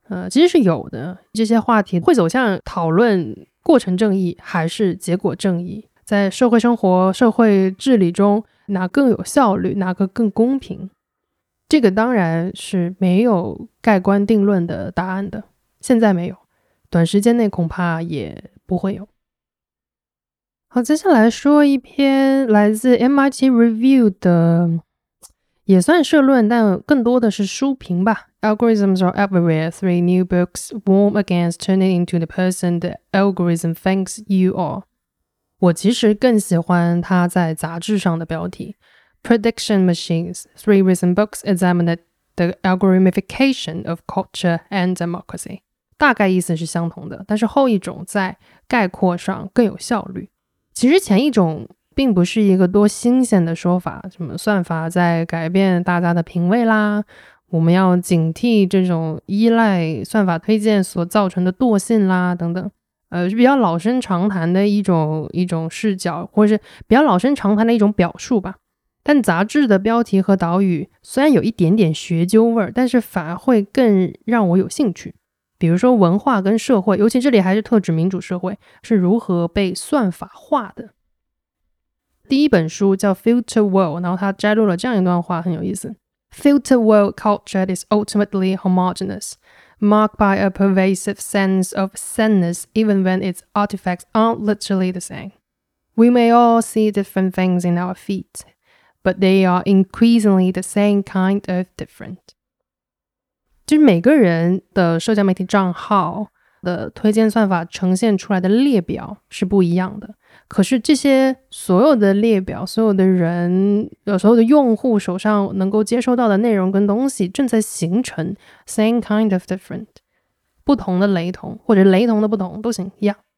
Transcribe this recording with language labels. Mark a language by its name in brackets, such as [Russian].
[Chinese] 其实是有的，这些话题会走向讨论过程正义还是结果正义，在社会生活、社会治理中哪更有效率，哪个更公平，这个当然是没有盖棺定论的答案的，现在没有，短时间内恐怕也不会有。好，接下来说一篇来自 MIT Review 的，也算社论，但更多的是书评吧。 [English] Algorithms are everywhere. Three new books warm against turning into the person the algorithm thinks you are. [Chinese] 我其实更喜欢他在杂志上的标题 Prediction Machines. [English] Three recent books examine the algorithmification of culture and democracy. [Chinese] 大概意思是相同的，但是后一种在概括上更有效率。其实前一种并不是一个多新鲜的说法，什么算法在改变大家的品味啦，我们要警惕这种依赖算法推荐所造成的惰性啦等等，是比较老生常谈的一种视角，或者是比较老生常谈的一种表述吧。但杂志的标题和导语虽然有一点点学究味儿，但是反而会更让我有兴趣。比如说文化跟社会，尤其这里还是特指民主社会，是如何被算法化的。第一本书叫 Filter World, 然后他摘录了这样一段话，很有意思。 [English] Filter world culture is ultimately homogenous, marked by a pervasive sense of sameness even when its artifacts aren't literally the same. We may all see different things in our feet, but they are increasingly the same kind of different. [Chinese] 就是每个人的社交媒体账号的推荐算法呈现出来的列表是不一样的，可是这些所有的列表、所有的人、所有的用户手上能够接收到的内容跟东西正在形成 [English] same kind of different, [Chinese] 不同的雷同或者雷同的不同都行，一样。